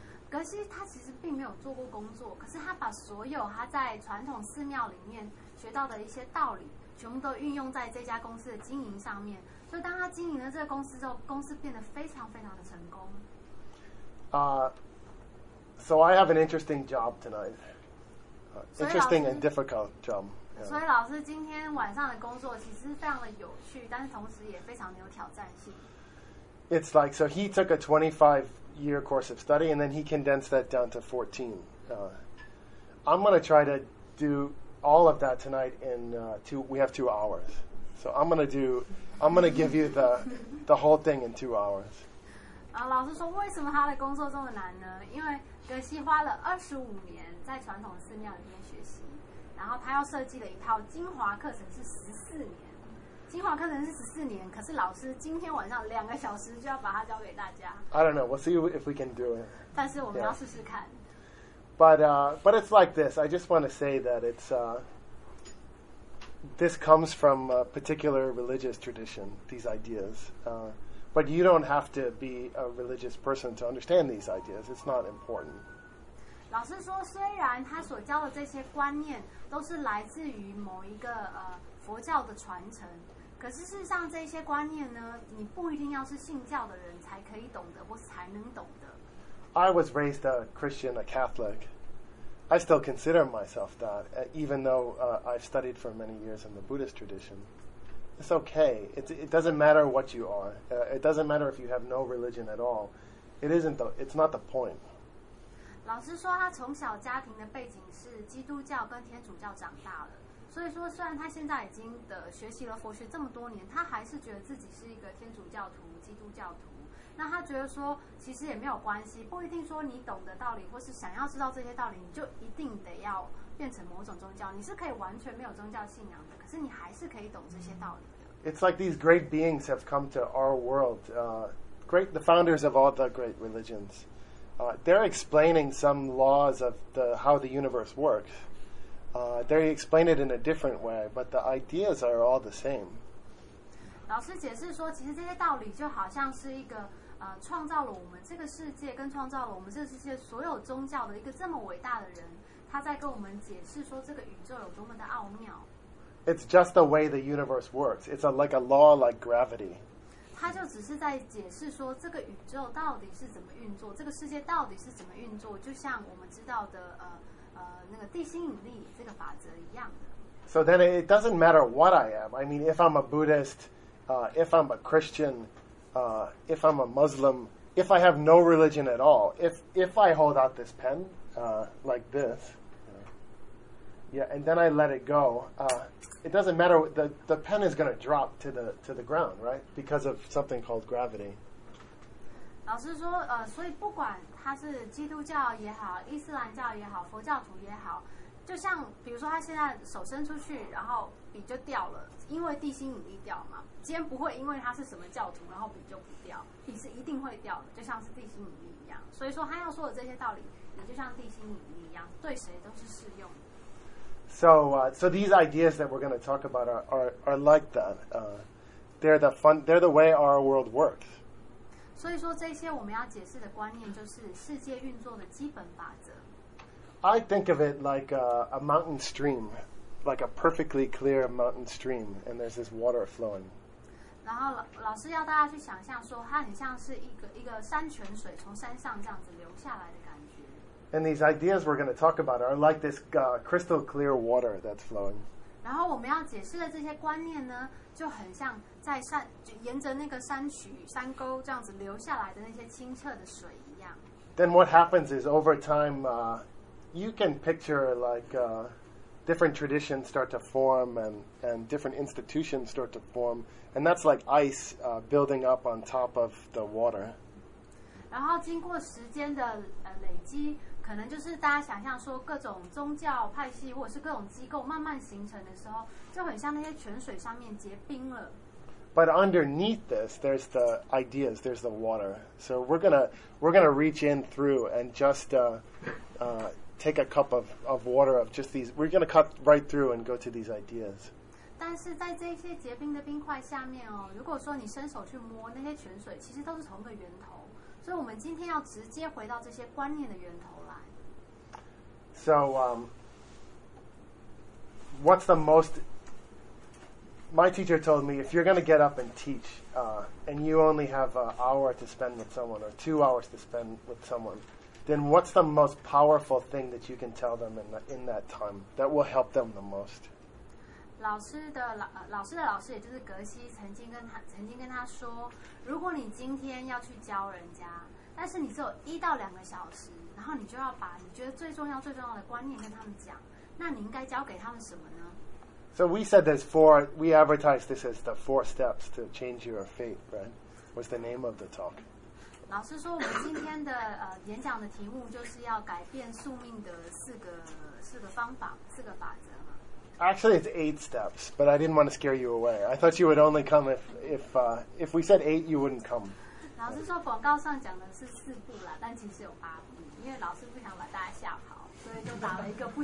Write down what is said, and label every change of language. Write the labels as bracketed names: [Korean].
[Chinese] 格西他其实并没有做过工作，可是他把所有他在传统寺庙里面学到的一些道理全部都运用在这家公司的经营上面，所以当他经营了这个公司之后，公司变得非常非常的成功。 [English] So I have an interesting job tonight. Interesting and difficult job.、 Yeah. [Chinese] 所以老师今天晚上的工作其实非常的有趣，但是同时也非常的有挑战性。 [English] It's like, so he took a 25-year course of study and then he condensed that down to 14. I'm going to try to do... all of that tonight in we have 2 hours. So I'm gonna give you the whole thing in 2 hours. [Chinese] 老师说为什么他的工作这么难呢？因为格西花了25年在传统寺庙里面学习，然后他要设计的一套精华课程是14年。精华课程是14年，可是老师今天晚上2个小时就要把它交给大家。 [English] I don't know, we'll see if we can do it. [Chinese] 但是我们要试试看。Yeah. [English] But it's like this. I just want to say that this comes from a particular religious tradition, these ideas. But you don't have to be a religious person to understand these ideas. It's not important. [Chinese] 老师说，虽然他所教的这些观念都是来自于某一个佛教的传承，可是事实上这些观念呢，你不一定要是信教的人才可以懂得或是才能懂得。 [English] I was raised a Christian, a Catholic. I still consider myself that, even though I've studied for many years in the Buddhist tradition. It's okay. It doesn't matter what you are. It doesn't matter if you have no religion at all. It's not the point. [Chinese] 老师说他从小家庭的背景是基督教跟天主教长大了，所以说虽然他现在已经的学习了佛学这么多年，他还是觉得自己是一个天主教徒、基督教徒。那他觉得说其实也没有关系，不一定说你懂得道理或是想要知道这些道理你就一定得要变成某种宗教，你是可以完全没有宗教信仰的，可是你还是可以懂这些道理的。 [English] It's like these great beings have come to our world. The founders of all the great religions. They're explaining some laws of how the universe works. They explain it in a different way, but the ideas are all the same. [Chinese] 老师解释说，其实这些道理就好像是一个创造了我们这个世界，跟创造了我们这个世界所有宗教的一个这么伟大的人，他在跟我们解释说这个宇宙有多么的奥妙。 [English] It's just the way the universe works. It's like a law like gravity. [Chinese] 他就只是在解释说这个宇宙到底是怎么运作，这个世界到底是怎么运作，就像我们知道的那个地心引力这个法则一样的。 [English] So then it doesn't matter what I am. I mean, if I'm a Buddhist, if I'm a Christian. If I'm a Muslim, if I have no religion at all, if I hold out this pen, like this, yeah, and then I let it go, it doesn't matter, the pen is going to drop to the ground, right? Because of something called gravity. [Chinese] 老师说，所以不管他是基督教也好，伊斯兰教也好，佛教徒也好，就像比如说他现在手伸出去，然后笔就掉了，因为地心引力掉嘛。今天不会因为他是什么教徒，然后笔就不掉，笔是一定会掉的，就像是地心引力一样。所以说他要说的这些道理，也就像地心引力一样，对谁都是适用的。 [English] So these ideas that we're going to talk about are like that. They're the way our world works. [Chinese] 所以说这些我们要解释的观念就是世界运作的基本法则。 [English] I think of it like a mountain stream, like a perfectly clear mountain stream, and there's this water flowing. [Chinese] 然后老师要大家去想象说，它很像是一个山泉水从山上这样子流下来的感觉。 [English] And these ideas we're going to talk about are like this crystal clear water that's flowing. [Chinese] 然后我们要解释的这些观念呢，就很像在山沿着那个山渠山沟这样子流下来的那些清澈的水一样。 [English] Then what happens is over time. You can picture like different traditions start to form and different institutions start to form, and that's like ice building up on top of the water. [Chinese] 然后经过时间的累积，可能就是大家想象说各种宗教派系或者是各种机构慢慢形成的时候，就很像那些泉水上面结冰了。 [English] But underneath this, there's the ideas, there's the water. So we're gonna reach in through and just. Take a cup of water of just these. We're going to cut right through and go to these ideas. [Chinese] 但是在这些结冰的冰块下面哦，如果说你伸手去摸那些泉水，其实都是同一个源头。所以我们今天要直接回到这些观念的源头来。 [English] So, what's the most? My teacher told me if you're going to get up and teach, and you only have an hour to spend with someone or 2 hours to spend with someone. Then what's the most powerful thing that you can tell them in that time that will help them the most? [Chinese] 老师的老师也就是格西曾经跟他说，如果你今天要去教人家，但是你只有一到两个小时，然后你就要把你觉得最重要的观念跟他们讲，那你应该教给他们什么呢？ [English] So we said there's four. We advertised this as the four steps to change your fate. Right? Was the name of the talk. [Chinese] 老师说，我们今天的演讲的题目就是要改变宿命的四个方法，四个法则嘛。 [English] Actually, it's 8 steps, but I didn't want to scare you away. I thought you would only come if we said 8, you wouldn't come. [Chinese] 老师说，广告上讲的是4步啦，但其实有8步，因为老师不想把大家吓跑。